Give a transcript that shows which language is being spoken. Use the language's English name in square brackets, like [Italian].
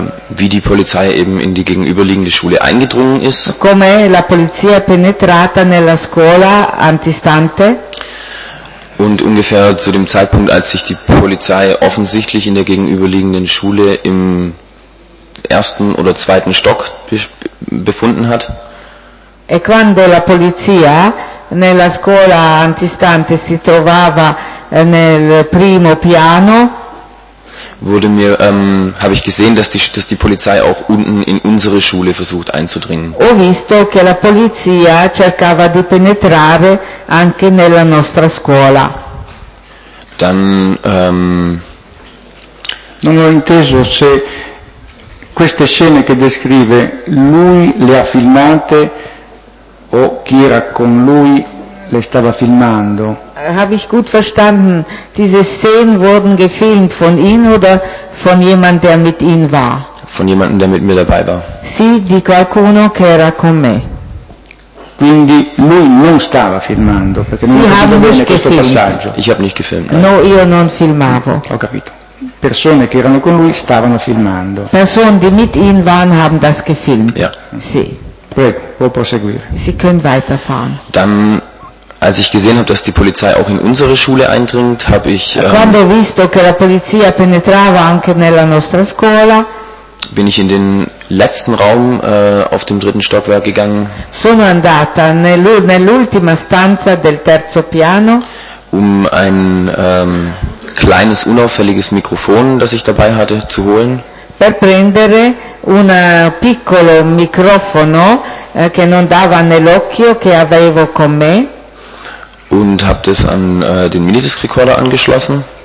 [German] Wie die Polizei eben in die gegenüberliegende Schule eingedrungen ist. [Italian] Come la polizia è penetrata nella scuola antistante. [German] Und ungefähr zu dem Zeitpunkt, als sich die Polizei offensichtlich in der gegenüberliegenden Schule im ersten oder zweiten Stock befunden hat. [Italian] E quando la polizia nella scuola antistante si trovava nel primo piano. [German] Wurde mir, habe ich gesehen, dass die Polizei auch unten in unsere Schule versucht einzudringen. [Italian] Ho visto che la polizia cercava di penetrare anche nella nostra scuola. [German] Dann, [Italian] non ho inteso se queste scene che descrive lui le ha filmate o chi era con lui le stava filmando. [German] Habe ich gut verstanden, diese Szenen wurden gefilmt von ihm oder von jemandem, der mit ihm war? Von jemandem, der mit mir dabei war. [Italian] Sì, di qualcuno che era con me. Quindi lui non stava filmando, perché sì, non avevo questo [German] gefilmt. [Italian] Passaggio. [German] Ich habe nicht gefilmt. Nein. [Italian] No, io non filmavo. Ho capito. Persone che erano con lui stavano filmando. [German] Personen, die mit ihm waren, haben das gefilmt. Ja. [Italian] Sì. Prego, può proseguire. [German] Sie können weiterfahren. Dann als ich gesehen habe, dass die Polizei auch in unsere Schule eindringt, habe ich [Italian] quando visto che la polizia penetrava anche nella nostra scuola, [German] bin ich in den letzten Raum auf dem dritten Stockwerk gegangen. [Italian] Sono andata nell'ultima stanza del terzo piano, [German] um ein kleines unauffälliges Mikrofon, das ich dabei hatte, zu holen. [Italian] Per prendere un piccolo microfono che non dava nell'occhio che avevo con me. [German] Und habe das an den Minidisc-Recorder angeschlossen.